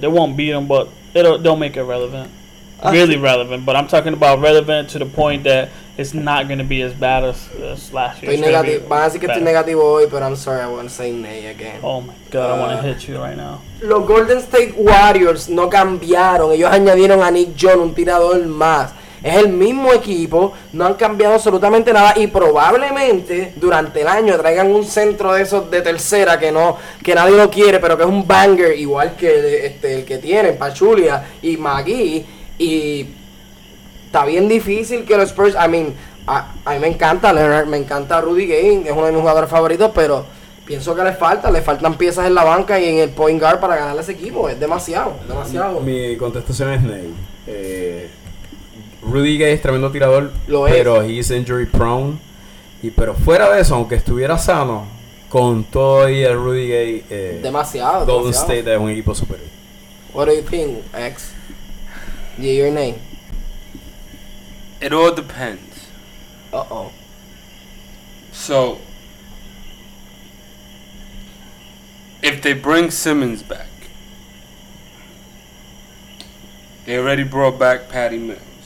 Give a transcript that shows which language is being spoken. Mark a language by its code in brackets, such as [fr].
[en] They won't beat them, but they'll make it relevant. Relevant. But I'm talking about relevant to the point that it's not going to be as bad as last year. [es] Estoy negativo. Van a decir que estoy negativo hoy, [en] but I'm sorry, I want to say nay again. Oh my god, I want to hit you right now. [es] Los Golden State Warriors no cambiaron. Ellos añadieron a Nick John, un tirador más. Es el mismo equipo. No han cambiado absolutamente nada. Y probablemente durante el año traigan un centro de esos de tercera que nadie lo quiere, pero que es un banger. Igual que el que tienen, Pachulia y McGee. Y está bien difícil que los Spurs... A mí me encanta Leonard, me encanta Rudy Gay, es uno de mis jugadores favoritos, pero pienso que le faltan piezas en la banca y en el point guard para ganar ese equipo. Es demasiado. Mi contestación es Ney. Rudy Gay es tremendo tirador, lo pero es. [en] He's injury prone. [es] Pero fuera de eso, aunque estuviera sano, con todo y el Rudy Gay... demasiado. Golden State es un equipo superior. [en] What do you think, X? Yeah, your name. It all depends. So, if they bring Simmons back, they already brought back Patty Mills.